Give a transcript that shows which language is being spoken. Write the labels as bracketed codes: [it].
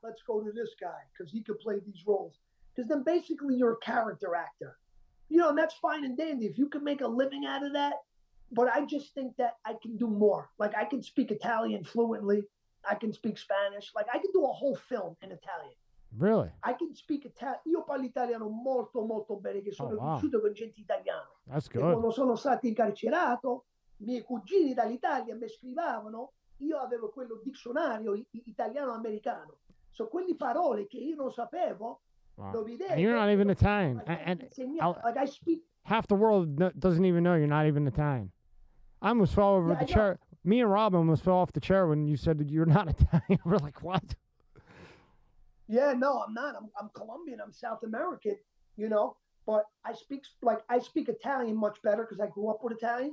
[en] Let's go to this guy because he could play these roles. Because then basically you're a character actor. You know, and that's fine and dandy. If you can make a living out of that, but I just think that I can do more. Like, I can speak Italian fluently. I can speak Spanish. Like, I can do a whole film in Italian. Really? I can speak Italian. [it] Io parlo italiano molto, molto bene. Che sono cresciuto con gente italiana. [en] That's good. [it] E quando sono stato incarcerato, I miei cugini dall'Italia mi scrivavano. Io avevo quello dizionario italiano-americano. So quelle parole che io non sapevo, lo vedete. [en] And you're not even Italian. And like I speak. Half the world doesn't even know you're not even Italian. I almost fell over the chair. Me and Robin almost fell off the chair when you said that you're not Italian. We're like, what? Yeah, no, I'm not. I'm Colombian. I'm South American, you know. But I speak Italian much better because I grew up with Italian.